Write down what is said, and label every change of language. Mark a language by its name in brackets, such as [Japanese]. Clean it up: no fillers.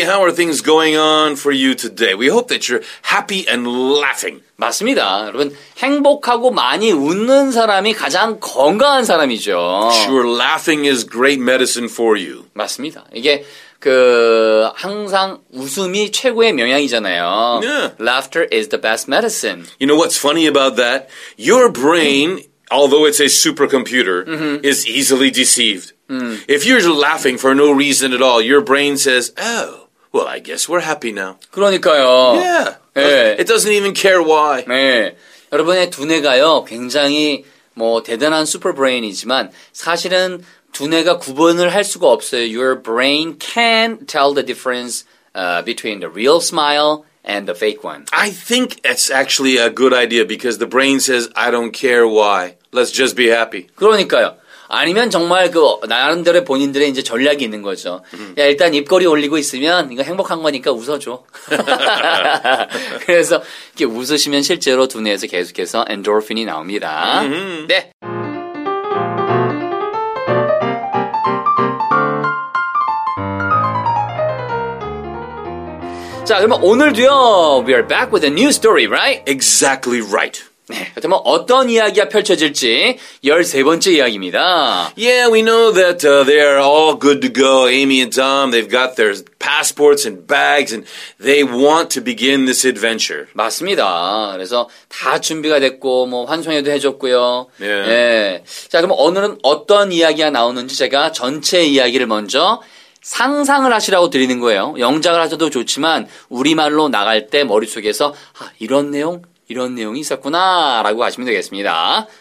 [English] How are things going on for you today? We hope that you're happy and laughing. [Korean] 맞습니다. 여러분, 행복하고 많이 웃는 사람이 가장 건강한 사람이죠. [English] Sure, laughing is great medicine for you. [Korean] 맞습니다. 이게 그 항상 웃음이 최고의 명약이잖아요. [English] Yeah. Laughter is the best medicine. You know what's funny about that? Your brain, although it's a supercomputer, is easily deceived. If you're laughing for no reason at all, your brain says, "Oh, well, I guess we're happy now." [Korean] 그러니까요. [English] Yeah. [Korean] 네. [English] It doesn't even care why. [Korean] 네. 여러분의 두뇌가요, 굉장히 뭐 대단한 슈퍼브레인이지만 사실은 두뇌가 구분을 할 수가 없어요. [English] Your brain can't tell the difference between the real smile and the fake one. I think it's actually a good idea because the brain says, I don't care why. Let's just be happy. [Korean] 그러니까요. 아니면 정말 그 나름대로 본인들의 이제 전략이 있는 거죠. 야, 일단 입꼬리 올리고 있으면 이거 행복한 거니까 웃어줘. 그래서 이렇게 웃으시면 실제로 두뇌에서 계속해서 엔도르핀이 나옵니다. 네. 자, 그러면 오늘도요, [English] we are back with a new story, right? Exactly right. [Korean] 네, 그렇다면 어떤 이야기가 펼쳐질지 13번째 이야기입니다. [English] Yeah, we know that they are all good to go, Amy and Tom. They've got their passports and bags and they want to begin this adventure. [Korean] 맞습니다. 그래서 다 준비가 됐고 뭐 환송회도 해줬고요. [English] Yeah. [Korean] 네. 자, 그럼 오늘은 어떤 이야기가 나오는지 제가 전체 이야기를 먼저 상상을 하시라고 드리는 거예요. 영작을 하셔도 좋지만 우리말로 나갈 때 머릿속에서 아, 이런 내용, 이런 내용이 있었구나 라고 하시면 되겠습니다.